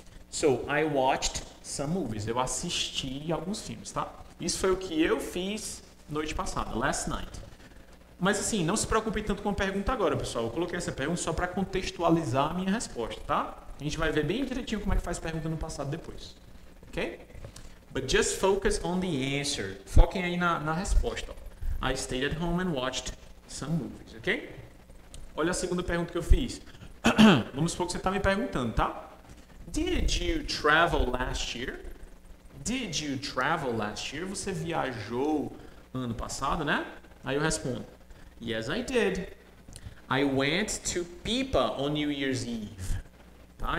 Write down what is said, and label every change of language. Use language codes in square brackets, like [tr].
[en] So, I watched some movies. [pt] Eu assisti alguns filmes, [en] tá? [pt] Isso foi o que eu fiz noite passada, [en] last night. [pt] Mas assim, não se preocupe tanto com a pergunta agora, pessoal. Eu coloquei essa pergunta só para contextualizar a minha resposta, tá? A gente vai ver bem direitinho como é que faz pergunta no passado depois. [en] Ok? But just focus on the answer. [pt] Foquem aí na resposta. [en] I stayed at home and watched some movies, ok? [pt] Olha a segunda pergunta que eu fiz. Vamos supor que você está me perguntando, tá? [en] Did you travel last year? Did you travel last year? [pt] Você viajou ano passado, né? Aí eu respondo. [en] Yes, I did. I went to Pipa on New Year's Eve. Tá?